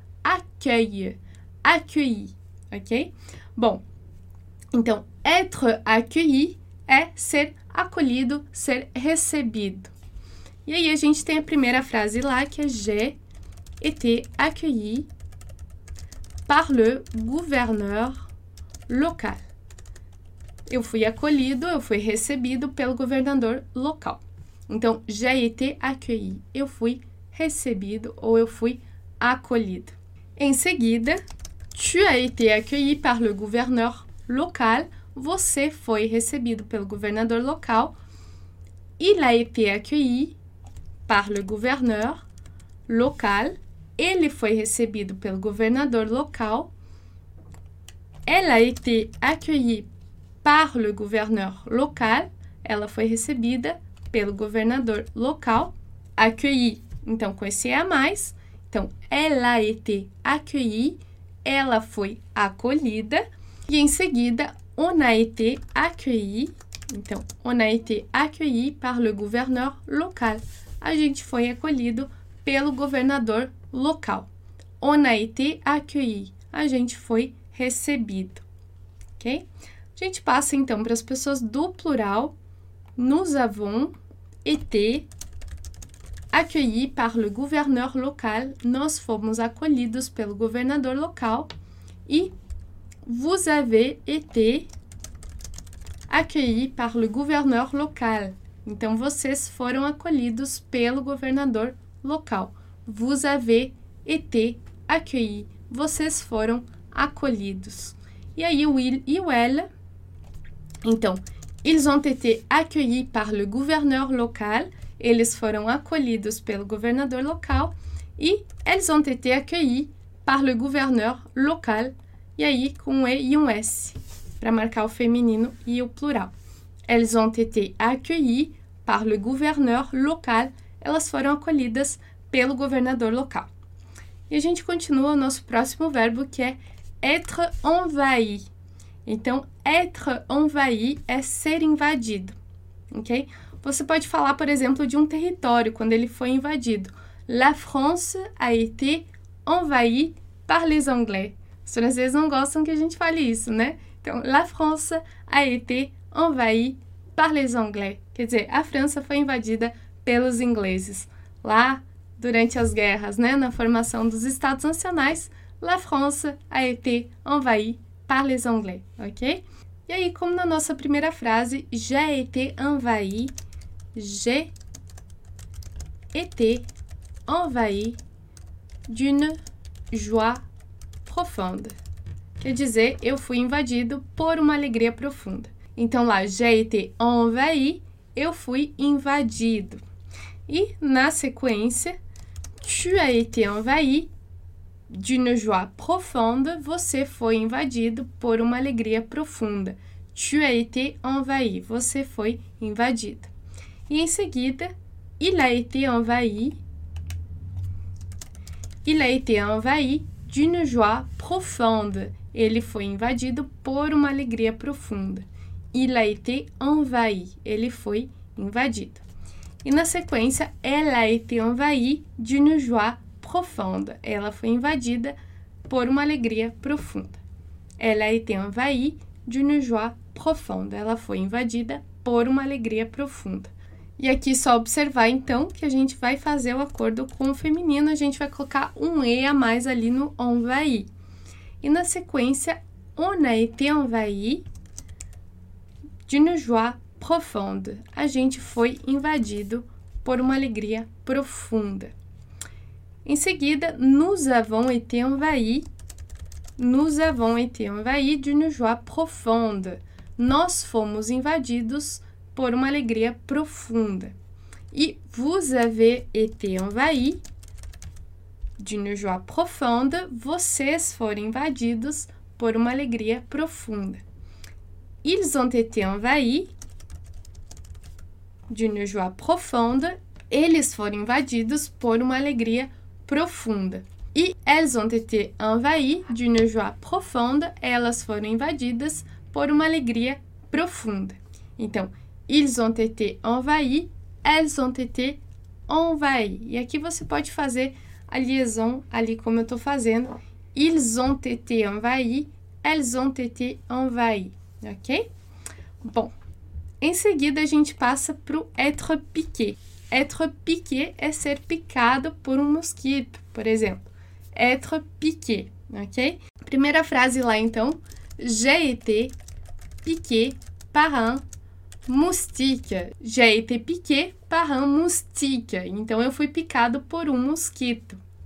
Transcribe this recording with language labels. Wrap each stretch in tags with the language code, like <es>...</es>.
<fr>Accueillir, accueilli.</fr> <pt>Ok? Bom, então,</pt> <fr>être accueilli</fr> <pt>é ser acolhido, ser recebido. E aí, a gente tem a primeira frase lá, que é</pt> <fr>j'ai été accueilli par le gouverneur local.</fr> <pt>Eu fui acolhido, eu fui recebido pelo governador local. Então,</pt> <fr>j'ai été accueilli.</fr> <pt>Eu fui recebido ou eu fui acolhido. Em seguida,</pt> <fr>tu as été accueilli par le gouverneur local.</fr> <pt>Você foi recebido pelo governador local.</pt> <fr>Il a été accueilli par le gouverneur local.</fr> <pt>Ele foi recebido pelo governador local.</pt> <fr>Elle a été accueillie par le gouverneur local.</fr> <pt>Ela foi recebida pelo governador local.</pt> <fr>Accueillie.</fr> <pt>Então, com esse E a mais. Então,</pt> <fr>elle a été accueillie.</fr> <pt>Ela foi acolhida. E em seguida,</pt> <fr>on a été accueilli.</fr> <pt>Então,</pt> <fr>on a été accueilli par le gouverneur local.</fr> <pt>A gente foi acolhido pelo governador local.</pt> <fr>On a été accueilli.</fr> <pt>A gente foi recebido. Ok? A gente passa então para as pessoas do plural.</pt> <fr>Nous avons été accueilli par le gouverneur local.</fr> <pt>Nós fomos acolhidos pelo governador local. E</pt> <fr>vous avez été accueilli par le gouverneur local.</fr> <pt>Então, vocês foram acolhidos pelo governador local.</pt> <fr>Vous avez été accueilli.</fr> <pt>Vocês foram acolhidos. E aí, o il e o elle. Então,</pt> <fr>ils ont été accueillis par le gouverneur local.</fr> <pt>Eles foram acolhidos pelo governador local. E</pt> <fr>elles ont été accueillis par le gouverneur local.</fr> <pt>E aí, com um E e um S, para marcar o feminino e o plural.</pt> <fr>Elles ont été accueillies par le gouverneur local.</fr> <pt>Elas foram acolhidas pelo governador local. E a gente continua o nosso próximo verbo, que é</pt> <fr>être envahi.</fr> <pt>Então,</pt> <fr>être envahi</fr> <pt>é ser invadido, ok? Você pode falar, por exemplo, de um território, quando ele foi invadido.</pt> <fr>La France a été envahie par les Anglais.</fr> <pt>Os franceses não gostam que a gente fale isso, né? Então,</pt> <fr>la France a été envahie par les Anglais.</fr> <pt>Quer dizer, a França foi invadida pelos ingleses. Lá, durante as guerras, né, na formação dos Estados Nacionais,</pt> <fr>la France a été envahie par les Anglais,</fr> <pt>ok? E aí, como na nossa primeira frase,</pt> <fr>j'ai été envahie, j'ai été envahie d'une joie profonde.</fr> <pt>Quer dizer, eu fui invadido por uma alegria profunda. Então, lá,</pt> <fr>j'ai été envahi,</fr> <pt>eu fui invadido. E, na sequência,</pt> <fr>tu as été envahi d'une joie profonde,</fr> <pt>você foi invadido por uma alegria profunda.</pt> <fr>Tu as été envahi,</fr> <pt>você foi invadido. E, em seguida,</pt> <fr>il a été envahi, il a été envahi d'une joie profonde.</fr> <pt>Ele foi invadido por uma alegria profunda.</pt> <fr>Il a été envahi.</fr> <pt>Ele foi invadido. E na sequência,</pt> <fr>elle a été envahie d'une joie profonde.</fr> <pt>Ela foi invadida por uma alegria profunda.</pt> <fr>Elle a été envahie d'une joie profonde.</fr> <pt>Ela foi invadida por uma alegria profunda. E aqui só observar, então, que a gente vai fazer o acordo com o feminino. A gente vai colocar um E a mais ali no envahie. E na sequência,</pt> <fr>on a été envahi d'une joie profonde.</fr> <pt>A gente foi invadido por uma alegria profunda. Em seguida,</pt> <fr>nous avons été envahi. Nous avons été envahi d'une joie profonde.</fr> <pt>Nós fomos invadidos por uma alegria profunda. E</pt> <fr>vous avez été envahi d'une joie profonde,</fr> <pt>vocês foram invadidos por uma alegria profunda.</pt> <fr>Ils ont été envahis d'une joie profonde,</fr> <pt>eles foram invadidos por uma alegria profunda. E</pt> <fr>elles ont été envahis d'une joie profonde,</fr> <pt>elas foram invadidas por uma alegria profunda. Então,</pt> <fr>ils ont été envahis, elles ont été envahis.</fr> <pt>E aqui você pode fazer a liaison ali como eu estou fazendo.</pt> <fr>Ils ont été envahis, elles ont été envahis.</fr> <pt>Ok? Bom, em seguida a gente passa para o</pt> <fr>être piqué. Être piqué</fr> <pt>é ser picado por um mosquito, por exemplo.</pt> <fr>Être piqué,</fr> <pt>ok? Primeira frase lá então.</pt> <fr>J'ai été piqué par un moustique. J'ai été piqué par un moustique.</fr> <pt>Então eu fui picado por um mosquito.</pt>